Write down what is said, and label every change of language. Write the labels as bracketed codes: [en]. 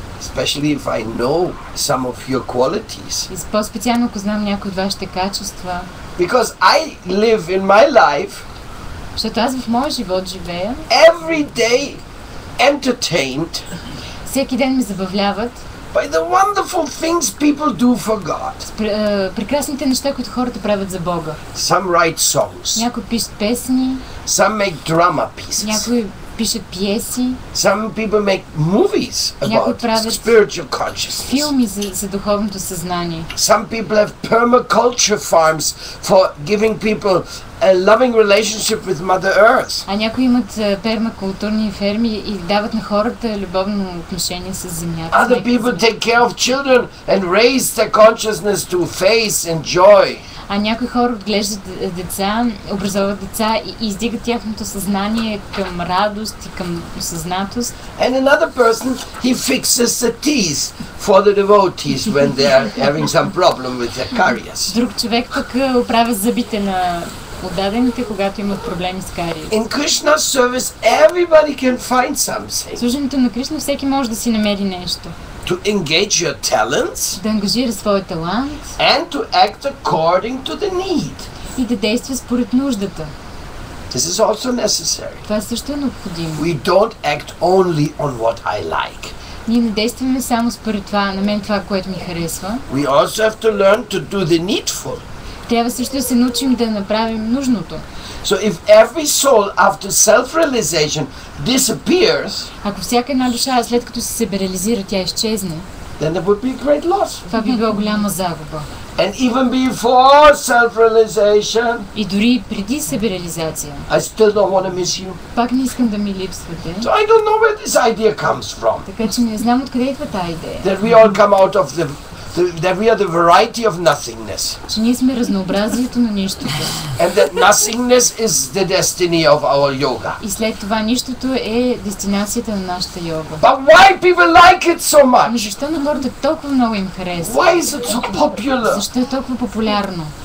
[en] Especially if I know some of your qualities. [bg] И по-специално, ако знам някои от вашите качества. [en] Because I live in my life. [bg] Защото аз в моя живот живея. [en] Every day entertained. [bg] Всеки ден ме забавляват. [en] By the wonderful things people do for God. [bg] Прекрасните неща, които хората правят за Бога. [en] Some write songs. [bg] Някои пишат песни. [en] Some make drama pieces. [bg] Някои пишат пиеси. [en] Some people make movies about spiritual consciousness. [bg] Филми за духовното съзнание. [en] Some people have permaculture farms for giving people a loving relationship with Mother Earth. [bg] А някои имат пермакултурни ферми и дават на хората любовно отношение с земята. [en] Other people take care of children and raise their consciousness to face and joy. [bg] А някои хора отглеждат деца, образуват деца и издигат тяхното съзнание към радост и към съзнатост. [en] And another person, he fixes the teeth for the devotees when they are having some problem with their caries. [bg] Друг човек пък оправя зъбите на отдадените, когато имат проблеми с кариес. [en] In Krishna's service, everybody can find something. [bg] Служението на Кришна всеки може да си намери нещо. [en] To engage your talents, [bg] да ангажира своя талант, [en] and to act according to the need. [bg] И да действа според нуждата. [en] This is also necessary. [bg] Това също е необходимо. [en] We don't act only on what I like. [bg] Ние не действаме само според това, на мен това, което ми харесва. [en] We also have to learn to do the needful. [bg] Трябва също да се научим да направим нужното. [en] So if every soul after self-realization disappears, [bg] ако всяка една душа след като се себерализира, тя изчезне, [en] then there would be a great loss. [bg] Това би било голяма загуба. [en] And even before self-realization, [bg] и дори преди себерализация, [en] I still don't want to miss you. [bg] Пак не искам да ми липсвате. [en] So I don't know where this idea comes from. [bg] Така че не знам откъде идва тази идея. [en] That we all come out of that we are the variety of nothingness. [bg] Че ние сме разнообразието на нищото. [en] And that nothingness is the destiny of our yoga. [bg] И след това нищото е дестинацията на нашата йога. [en] But why people like it so much? [bg] Но защо на хората толкова много им харесва? [en] Why is it so popular? [bg] Защо е толкова популярно?